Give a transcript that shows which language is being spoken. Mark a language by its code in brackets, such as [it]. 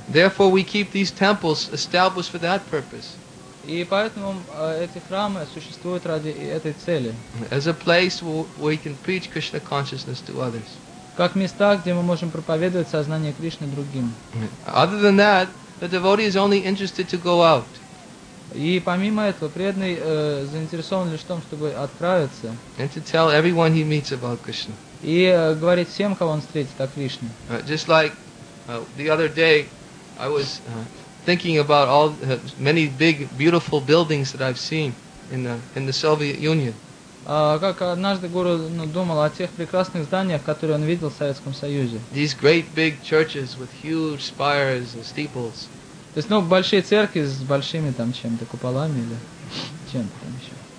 [en] Therefore, we keep these temples established for that purpose. [ru] И поэтому эти храмы существуют ради этой цели. [en] As a place where we can preach Krishna consciousness to others. [ru] Как места, где мы можем проповедовать сознание Кришны другим. [en] Other than that, the devotee is only interested to go out. [ru] И помимо этого, преданный заинтересован лишь в том, чтобы отправиться. [en] And to tell everyone he meets about Krishna. [ru] И говорить всем, кого он встретит, о Кришне. [en] Just like the other day, I was thinking about all many big, beautiful buildings that I've seen in the Soviet Union. [ru] Как однажды Гуру думал о тех прекрасных зданиях, которые он видел в Советском Союзе. [en] These great big churches with huge spires and steeples. [ru] То есть, большие церкви с большими там чем-то куполами или чем-то там еще.